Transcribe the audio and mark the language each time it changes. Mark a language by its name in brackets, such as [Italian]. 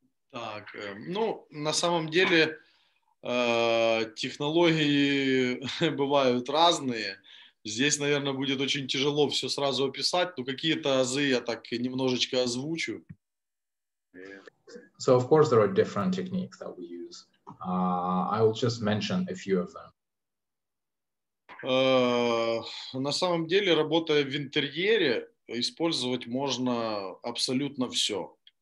[Russian] Так, ну, на самом деле технологии бывают разные. Здесь, наверное, будет очень тяжело все сразу описать, но какие-то азы я так немножечко озвучу. [English] So, of course, there are different techniques that we use. I will just mention a few of them. [Russian] На самом деле, работая в интерьере, использовать можно абсолютно все.